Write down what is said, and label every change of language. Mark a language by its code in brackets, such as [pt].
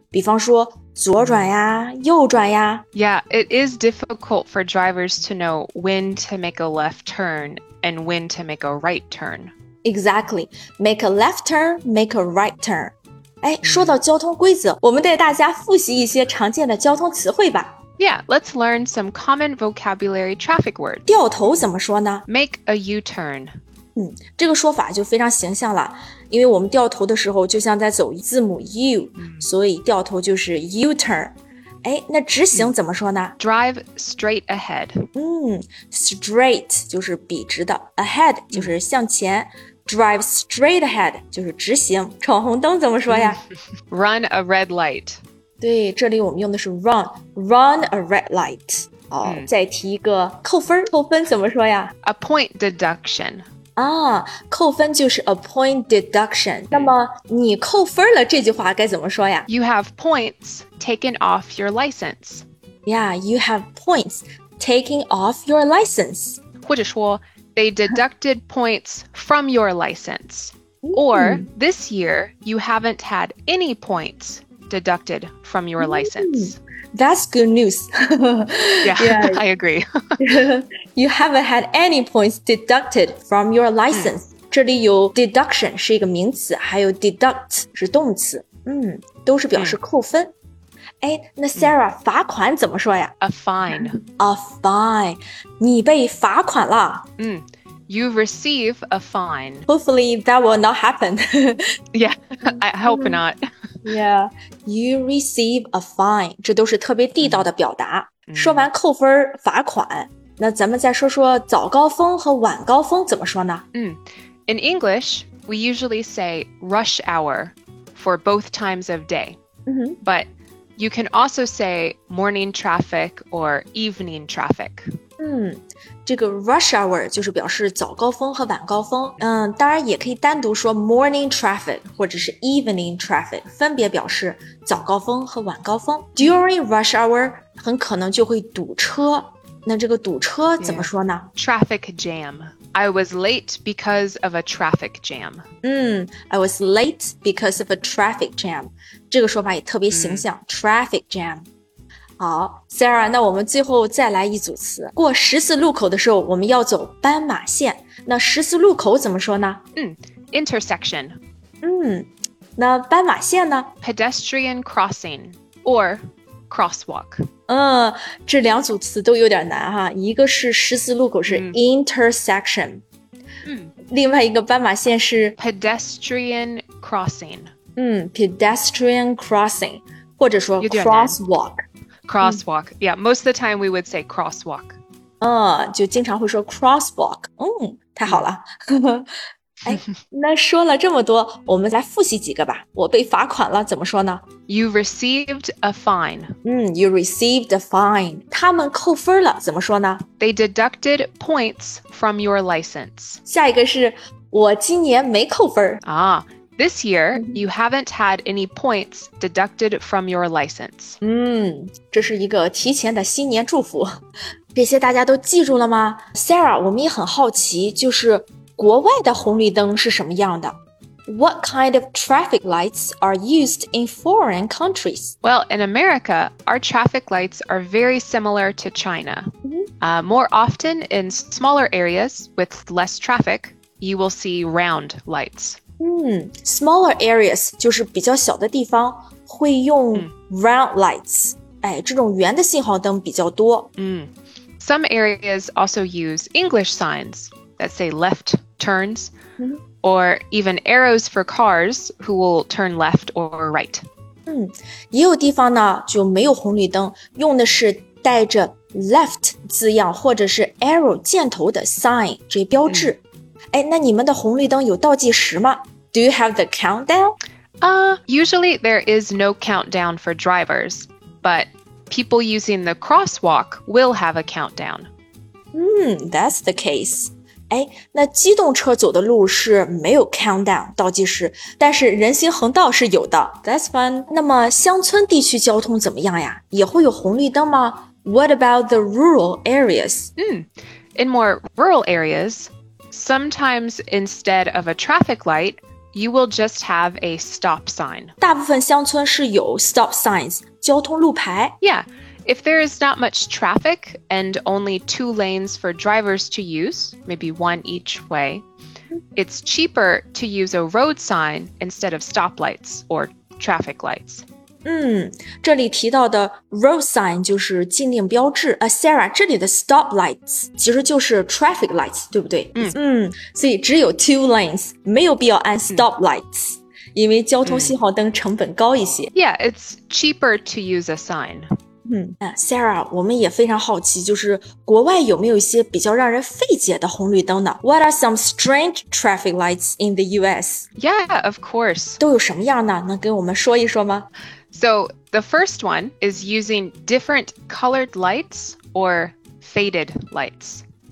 [zh] 比方说左转呀右转呀 [en] Yeah, it is difficult for drivers to know when to make a left turn and when to make a right turn. Exactly. Make a left turn, make a right turn. [zh] 说到交通规则我们带大家复习一些常见的交通词汇吧。 [en] Yeah, let's learn some common vocabulary traffic words. [zh] 掉头怎么说呢 [en] Make a U-turn. [zh] 这个说法就非常形象了因为我们掉头的时候就像在走字母 U, 所以掉头就是 U-turn。那直行怎么说呢 [en] Drive straight ahead. [zh] Straight 就是笔直的 ,ahead 就是向前。 [en] Drive straight ahead [zh] 就是直行。闯红灯怎么说呀 [en] Run a red light. [zh] 对这里我们用的是 run, [en] run a red light. [zh] 好再提一个扣分扣分怎么说呀 [en] A point deduction. [zh] 扣分就是 [en] a point deduction. [zh] 那么你扣分了这句话该怎么说呀 [en] You have points taken off your license. Yeah, you have points taken off your license. [zh] 或者说 [en] they deducted points from your license. Or this year, you haven't had any points deducted from your license. That's good news. yeah, I agree. You haven't had any points deducted from your license. [zh] 这里有 deduction 是一个名词，还有 deduct 是动词，都是表示扣分。那 Sarah, 罚款怎么说呀 [en] ？A fine. A fine. [zh] 你被罚款了。 [en] You receive a fine. Hopefully that will not happen. yeah, I hope not. Yeah, you receive a fine. [zh] 这都是特别地道的表达。说完扣分罚款。那咱们再说说早高峰和晚高峰怎么说呢？ [en] In English, we usually say rush hour for both times of day. But you can also say morning traffic or evening traffic. [zh] 这个 rush hour 就是表示早高峰和晚高峰，当然也可以单独说 morning traffic 或者是 evening traffic， 分别表示早高峰和晚高峰。 [en] During rush hour [zh] 很可能就会堵车，那这个堵车怎么说呢？ [en] Yeah. Traffic jam. I was late because of a traffic jam. I was late because of a traffic jam. [zh] 这个说法也特别形象、mm. [en] traffic jam。 [zh] 好 ,Sarah, 那我们最后再来一组词。过十字路口的时候我们要走斑马线。那十字路口怎么说呢？ [en] Intersection. [zh] 那斑马线呢？ [en] Pedestrian crossing or crosswalk. [zh] 这两组词都有点难哈。一个是十字路口是 intersection. 另外一个斑马线是 [en] pedestrian crossing. Pedestrian crossing. 或者说 crosswalk. Crosswalk. Yeah, most of the time we would say crosswalk. [zh] 就经常会说 crosswalk. 太好了。那说了这么多，我们来复习几个吧。我被罚款了，怎么说呢？ [en] You received a fine. You received a fine. [zh] 他们扣分了，怎么说呢？ [en] They deducted points from your license. [zh] 下一个是，我今年没扣分。 [en] This year, you haven't had any points deducted from your license. [zh] 这是一个提前的新年祝福。这些大家都记住了吗？ Sarah, 我们也很好奇，就是国外的红绿灯是什么样的？ [en] What kind of traffic lights are used in foreign countries? Well, in America, our traffic lights are very similar to China. More often in smaller areas with less traffic, you will see round lights. [zh] Smaller areas 就是比较小的地方会用 round lights、这种圆的信号灯比较多、 [en] Some areas also use English signs that say left turns、or even arrows for cars who will turn left or right、 [zh] 也有地方呢就没有红绿灯，用的是带着 left 字样或者是 arrow 箭头的 sign 这些标志、那你们的红绿灯有倒计时吗？ [en] Do you have the countdown? Usually there is no countdown for drivers, but people using the crosswalk will have a countdown. That's the case. [zh] 那机动车走的路是没有 countdown, 倒计时，但是人行横道是有的。 [en] That's fun. [zh] 那么乡村地区交通怎么样呀？也会有红绿灯吗？ [en] What about the rural areas? In more rural areas,Sometimes instead of a traffic light, you will just have a stop sign. [zh] 大部分乡村是有 stop signs, 交通路牌。 [en] Yeah, if there is not much traffic and only two lanes for drivers to use, maybe one each way, it's cheaper to use a road sign instead of stop lights or traffic lights. [zh] 这里提到的 road sign 就是禁令标志。 Sarah, 这里的 stop lights 其实就是 traffic lights, 对不对？所以只有 two lanes, 没有必要按 stop lights, 因为交通信号灯成本高一些。 [en] Yeah, it's cheaper to use a sign. [zh] Sarah, 我们也非常好奇，就是国外有没有一些比较让人费解的红绿灯呢？ [en] What are some strange traffic lights in the US? Yeah, of course. [zh] 都有什么样呢？能给我们说一说吗？ [en] So the first one is using different colored lights or faded lights.